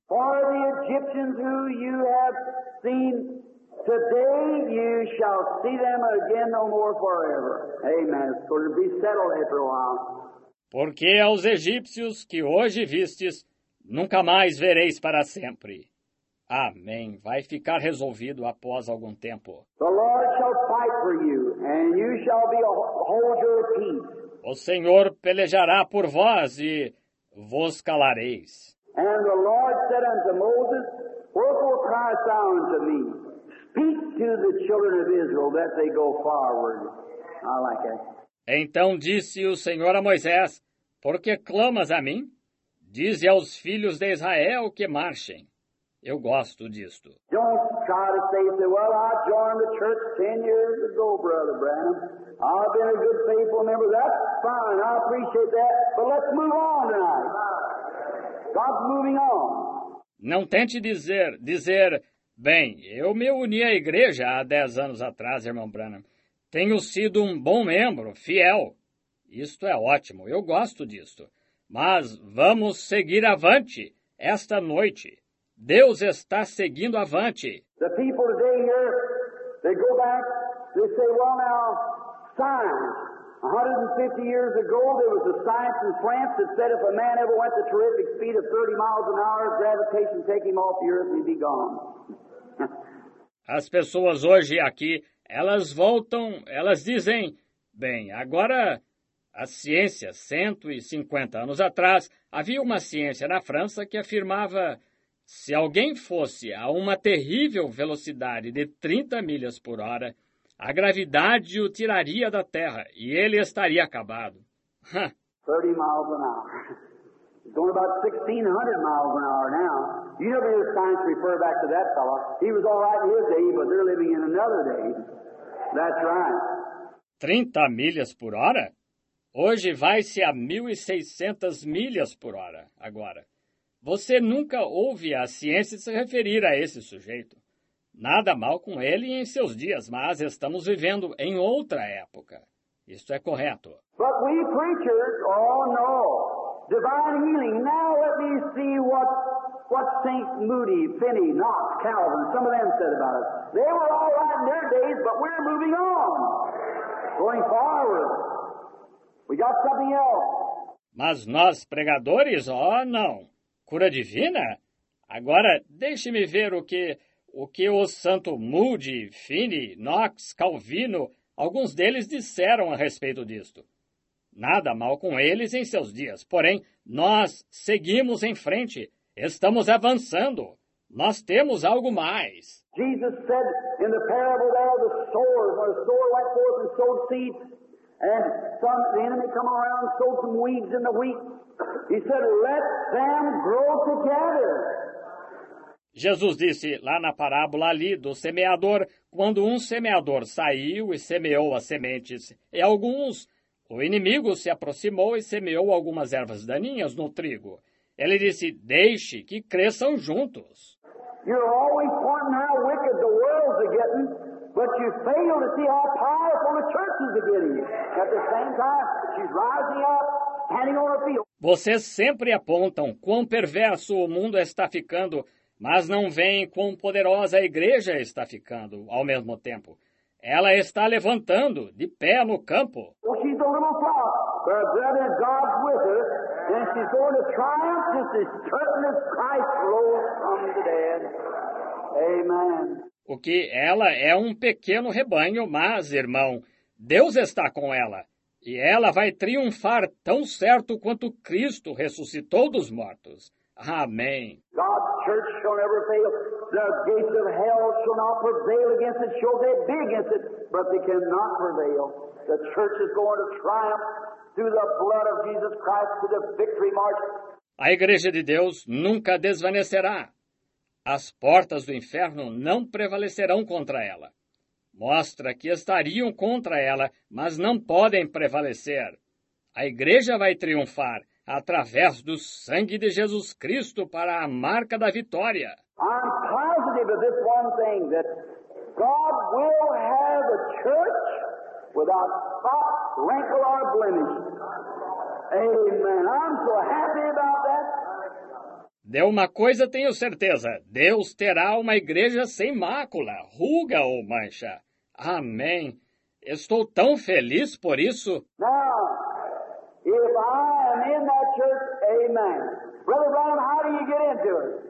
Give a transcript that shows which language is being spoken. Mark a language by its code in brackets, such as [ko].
[en] For the Egyptians who you have seen today, you shall see them again no more forever. Amen. It's going to be settled after a while. [pt] Porque aos egípcios que hoje vistes, nunca mais vereis para sempre. Amém. Vai ficar resolvido após algum tempo. [en] The Lord shall fight for you, and you shall be a hold your peace. [pt] O Senhor pelejará por vós e vos calareis. [en] And the Lord said unto Moses, wherefore criest thou unto me? Speak to the children of Israel that they go forward. I like it. [pt] Então disse o Senhor a Moisés, por que clamas a mim? Dize aos filhos de Israel que marchem. Eu gosto disto. [en] Don't try to say, well, I joined the church 10 years ago, Brother Branham. I've been a good faithful member. That's fine. I appreciate that. But let's move on tonight. God's moving on. [pt] Não tente dizer, bem, eu me uni à igreja há 10 anos atrás, irmão Branham. Tenho sido um bom membro, fiel. Isto é ótimo. Eu gosto disto. Mas vamos seguir avante esta noite. Deus está seguindo avante. [en] The people today here, they go back, they say, well now, science. 150 years ago, there was a science in France that said if a man ever went the terrific speed of 30 miles an hour, gravitation take him off the earth and he'd be gone. [pt] As pessoas hoje aqui, elas voltam, elas dizem, bem, agora a ciência, 150 anos atrás, havia uma ciência na França que afirmava se alguém fosse a uma terrível velocidade de 30 milhas por hora, a gravidade o tiraria da Terra e ele estaria acabado. [en] 30 miles an hour. He's going about 1,600 miles an hour now. You never hear science refer back to that fellow. He was all right in his day, but they're living in another day. That's right. [pt] 30 milhas por hora? Hoje vai-se a 1.600 milhas por hora agora. Você nunca ouve a ciência se referir a esse sujeito. Nada mal com ele em seus dias, mas estamos vivendo em outra época. Isto é correto. [en] But we preachers, oh no, divine healing. Now let me see what St. Moody, Finney, Knox, Calvin, some of them said about us. They were all right in their days, but we're moving on. Going forward. We got something else. [pt] Mas nós pregadores, oh não. Cura divina? Agora, deixe-me ver o que o santo Moody, Finney, Knox, Calvino, Alguns deles disseram a respeito disto. Nada mal com eles em seus dias, porém, nós seguimos em frente, estamos avançando. Nós temos algo mais. [en] Jesus said in the parable there, the sower, or the sower went forth and sowed seed, and some, the enemy come around and sowed some weeds in the wheat. He said, let them grow together. [pt] Jesus disse lá na parábola ali do semeador, quando um semeador saiu e semeou as sementes, e alguns, o inimigo se aproximou e semeou algumas ervas daninhas no trigo. Ele disse, deixe que cresçam juntos. [en] You're always pointing how wicked the world's getting, but you fail to see how powerful the church is getting. At the same time, she's rising up, standing on her feet. [pt] Vocês sempre apontam quão perverso o mundo está ficando, mas não veem quão poderosa a igreja está ficando ao mesmo tempo. Ela está levantando, de pé no campo. [en] Well, she's a little flock, but her brother God's with her. And she's going to triumph as the curtain of Christ rolls from the dead. Amen. [pt] O que ela é um pequeno rebanho, mas, irmão, Deus está com ela. E ela vai triunfar tão certo quanto Cristo ressuscitou dos mortos. Amém. [en] God's church shall never fail. The gates of hell shall not prevail against it. Shall they be against it, but they cannot prevail. The church is going to triumph. Through the blood of Jesus Christ to the victory march. [pt] A igreja de Deus nunca desvanecerá. As portas do inferno não prevalecerão contra ela. Mostra que estariam contra ela, mas não podem prevalecer. A igreja vai triunfar através do sangue de Jesus Cristo para a marca da vitória. [en] I'm positive of this one thing, that God will have a church without spot, wrinkle or blemish. Amen. I'm so happy about that. [pt] De uma coisa tenho certeza, Deus terá uma igreja sem mácula, ruga ou mancha. Amém. Estou tão feliz por isso. [en] Now, if I am in that church, amen. Brother Brown, how do you get into it?